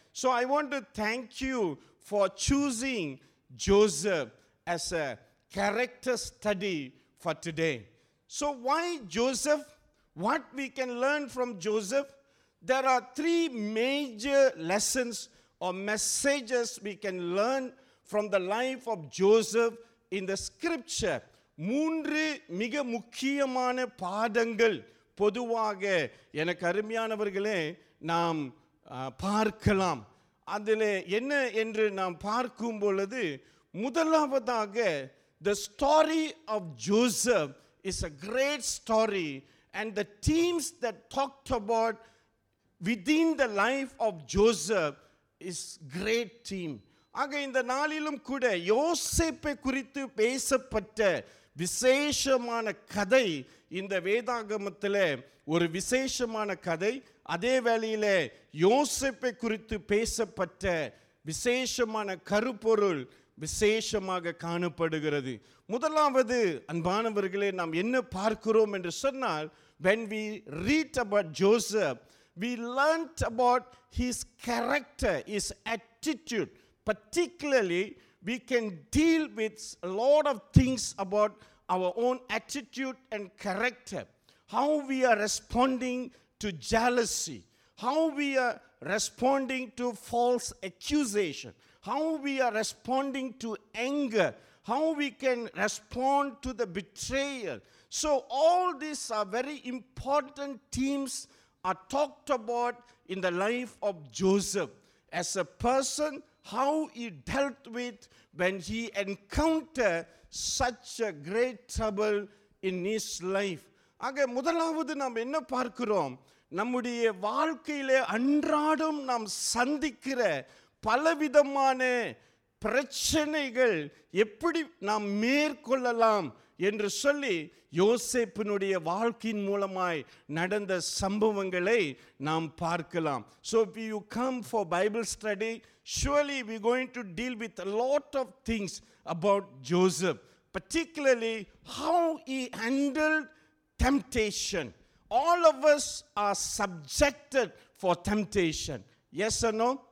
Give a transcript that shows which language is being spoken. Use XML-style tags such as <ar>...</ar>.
<en>So I want to thank you for choosing Joseph as a character study for today. So why Joseph? What we can learn from Joseph? There are three major lessons or messages we can learn from the life of Joseph in the scripture.</en> <ta>மூன்று மிக முக்கியமான பாடங்கள் பொதுவாக, எனக்கு அருமையானவர்களே, நாம் பார்க்கலாம். அதில் என்ன என்று நாம் பார்க்கும் பொழுது, முதலாவதாக,</ta> <en>the story of Joseph is a great story, and the themes that talked about within the life of Joseph is great theme.</en> <ta>ஆக இந்த நாளிலும் கூட யோசேப்பை குறித்து பேசப்பட்ட விசேஷமான கதை இந்த வேதாகமத்தில் ஒரு விசேஷமான கதை. அதே வேளையில் யோசேப்பை குறித்து பேசப்பட்ட விசேஷமான கருப்பொருள் விசேஷமாக காணப்படுகிறது. முதலாவது, அன்பானவர்களே, நாம் என்ன பார்க்கிறோம் என்று சொன்னால்,</ta> <en>when we read about Joseph, we learnt about his character, his attitude. Particularly, we can deal with a lot of things about our own attitude and character. How we are responding to jealousy, how we are responding to false accusation, how we are responding to anger, how we can respond to the betrayal. So all these are very important themes are talked about in the life of Joseph. As a person, how he dealt with when he encountered such a great trouble in his life.</en> <ta>ஆக முதலாவது நாம் என்ன பார்க்கிறோம், நம்முடைய வாழ்க்கையிலே அன்றாடம் நாம் சந்திக்கிற பலவிதமான பிரச்சனைகள் எப்படி நாம் மேற்கொள்ளலாம் என்று சொல்லி யோசேப்பினுடைய வாழ்க்கையின் மூலமாய் நடந்த சம்பவங்களை நாம் பார்க்கலாம்.</ta> <en>So if you come for Bible study, surely we are going to deal with a lot of things about Joseph. Particularly how he handled temptation. All of us are subjected for temptation. Yes or no?</en>